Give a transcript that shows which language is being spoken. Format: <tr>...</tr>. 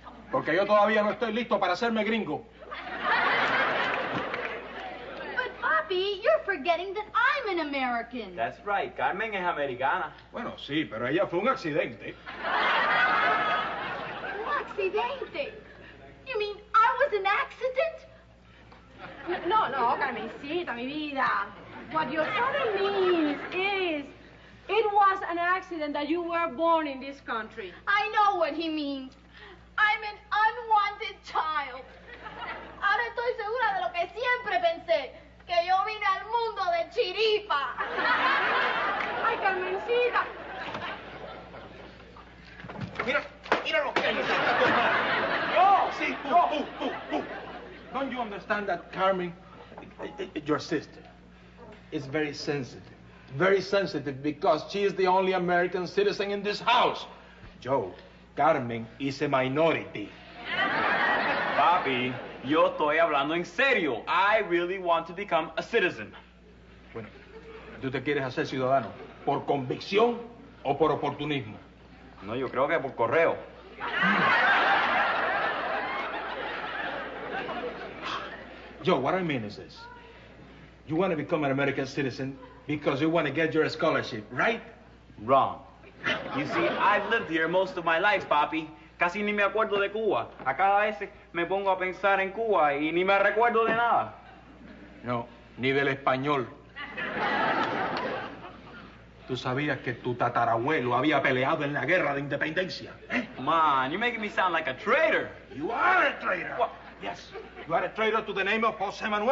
<es>Porque yo todavía no estoy listo para hacerme gringo.</es> <en>But, Papi, you're forgetting that I'm an American. That's right.</en> <es>Carmen es americana. Bueno, sí, pero ella fue un accidente. Un accidente?</es> <en>You mean I was an accident?</en> <es>No, no, Carmencita, mi vida.</es> <en>What your father means is it was an accident that you were born in this country. I know what he means. I'm an unwanted child.</en> <es>Ahora estoy segura de lo que siempre pensé, que yo vine al mundo de chiripa. Ay, Carmencita. Mira, mira lo que es. Yo. Sí, tú, yo. Tú.</es> <en>Don't you understand that, Carmen? Your sister is very sensitive. Very sensitive because she is the only American citizen in this house. Joe, Carmen is a minority.</en> <es>Papi, yo estoy hablando en serio.</es> <en>I really want to become a citizen.</en> <es>Bueno, ¿tú te quieres hacer ciudadano? ¿Por convicción o por oportunismo? No, yo creo que por correo.</es> <en>Joe, what I mean is this. You want to become an American citizen because you want to get your scholarship, right? Wrong. You see, I've lived here most of my life, Papi.</en> <es>Casi ni me acuerdo de Cuba. A cada vez me pongo a pensar en Cuba y ni me recuerdo de nada. No, ni del español. ¿Tú sabías que tu tatarabuelo había peleado en la guerra de independencia?</es> <en>Man, you're making me sound like a traitor. You are a traitor. What? Yes, you are a traitor to the name of José Manuel.</en>